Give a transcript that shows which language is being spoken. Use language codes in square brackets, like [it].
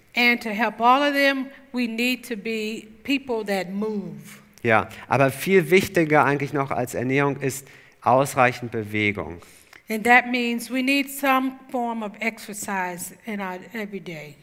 [en] And to help all of them, we need to be people that move. [de] Ja, aber viel wichtiger eigentlich noch als Ernährung ist ausreichend Bewegung. [en] And that means we need some form of exercise in our everyday.